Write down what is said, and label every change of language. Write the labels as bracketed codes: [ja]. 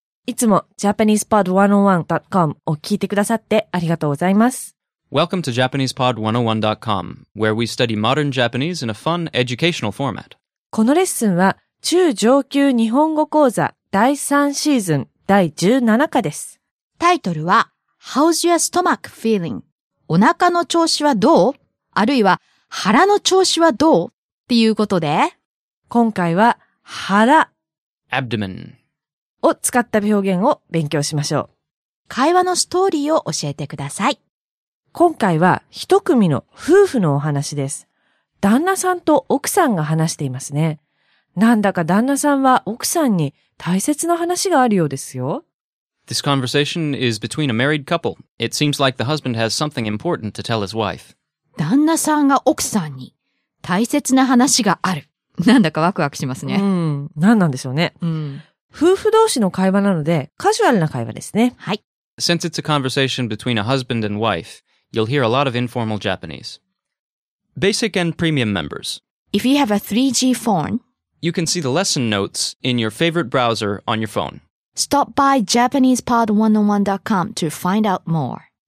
[ja] いつも JapanesePod101.com を聞いてくださってありがとうございます。 [en] Welcome to JapanesePod101.com, where we study modern Japanese in a fun, educational format. [ja] このレッスンは中上級日本語講座第3シーズン第17課です。タイトルは [en] How's your stomach feeling? [ja] お腹の調子はどう? あるいは腹の調子はどう? っていうことで、今回は腹 [en] abdomen [ja] を使った表現を勉強しましょう。会話のストーリーを教えてください。今回は一組の夫婦のお話です。旦那さんと奥さんが話していますね。なんだか旦那さんは奥さんに大切な話があるようですよ。 [en] This conversation is between a married couple. It seems like the husband has something important to tell his wife. [ja] 旦那さんが奥さんに大切な話がある。なんだかワクワクしますね。何なんでしょうね。夫婦同士の会話なので、カジュアルな会話ですね。はい。 [en] Since it's a conversation between a husband and wife, you'll hear a lot of informal Japanese. Basic and premium members. If you have a 3G phone, you can see the lesson notes in your favorite browser on your phone. Stop by JapanesePod101.com to find out more.